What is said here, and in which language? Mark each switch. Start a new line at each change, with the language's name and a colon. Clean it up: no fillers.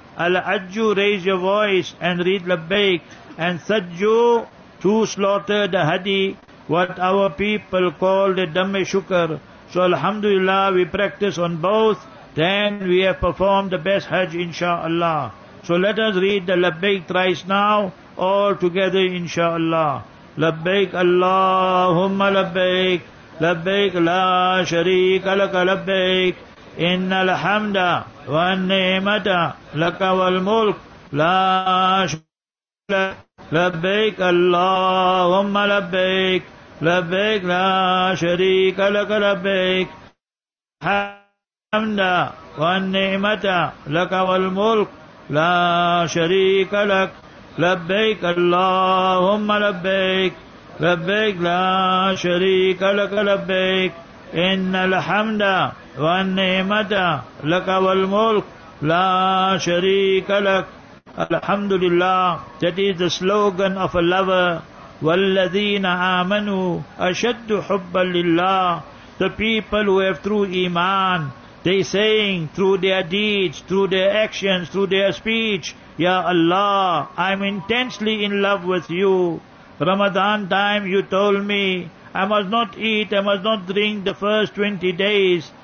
English: Al-Ajju, raise your voice and read Labbaik. And Thajju, to slaughter the Hadi, what our people call the Dhamme Shukr. So Alhamdulillah, we practice on both, then we have performed the best Hajj, inshallah. So let us read the Labbaik thrice now, all together, inshallah.
Arabic: Labbaik Allahumma Labbaik, Labbaik la sharika laka Labbaik, إن الحمد والنعمة لك والملك لا شريك لك لبيك اللهم لبيك لبيك لا شريك لك لبيك الحمد والنعمة لك والملك لا شريك لك لبيك اللهم لبيك لبيك لا شريك لك لبيك إن الحمد والنعمة لك والملك لا شريك لك الحمد لله
English: that is the slogan of a lover
Arabic: والذين آمنوا أشد حبا لله
English: the people who have true iman they saying through their deeds through their actions through their speech Ya Allah I'm intensely in love with you Ramadan time you told me I must not eat, I must not drink the first 20 days.